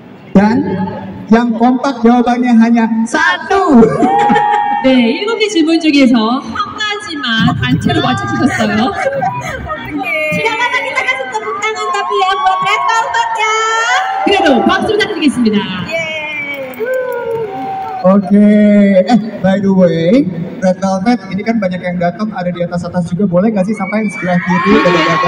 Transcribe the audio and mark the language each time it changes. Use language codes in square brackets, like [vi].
[id] Dan yang kompak jawabannya hanya satu. [ko] 네, 7개 질문 중에서 한 가지만 단체로 맞춰주셨어요. [id] 지나가다 kita kasih tepuk tangan tapi ya buat Red Velvet ya. [ko] 그래도 박수 부탁드리겠습니다. 예. Okay. [en] By the way, [id] Red Velvet ini kan banyak yang datang ada di atas atas juga, boleh nggak sih sampai sebelah kiri ada.